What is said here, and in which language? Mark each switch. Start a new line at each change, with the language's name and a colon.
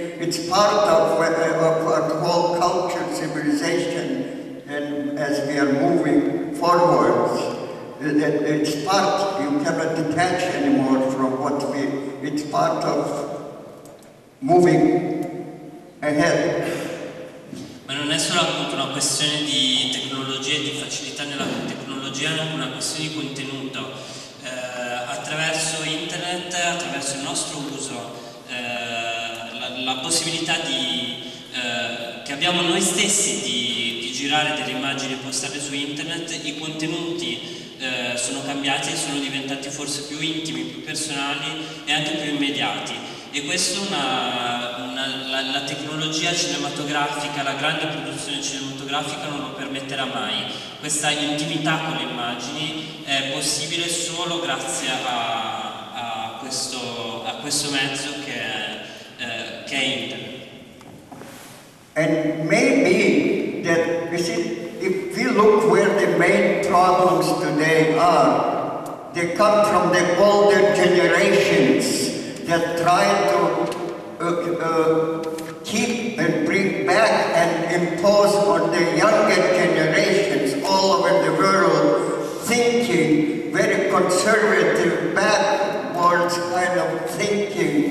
English: It's part of our whole culture, civilization, and as we are moving forwards, that it's part, you cannot detach anymore from what we, it's part of moving ahead.
Italian: Ma non è solo appunto una questione di tecnologia e di facilità nella tecnologia, ma una questione di contenuto. Attraverso internet, attraverso il nostro uso, la possibilità di, che abbiamo noi stessi di girare delle immagini postate su internet, i contenuti sono cambiati e sono diventati forse più intimi, più personali e anche più immediati. E questo la tecnologia cinematografica, la grande produzione cinematografica non lo permetterà mai. Questa intimità con le immagini è possibile solo grazie a questo mezzo che è internet.
English: And maybe that you see, if we look where the main problems today are, they come from the older generations that try to keep and bring back and impose on the younger generations all over the world thinking, very conservative, backwards kind of thinking.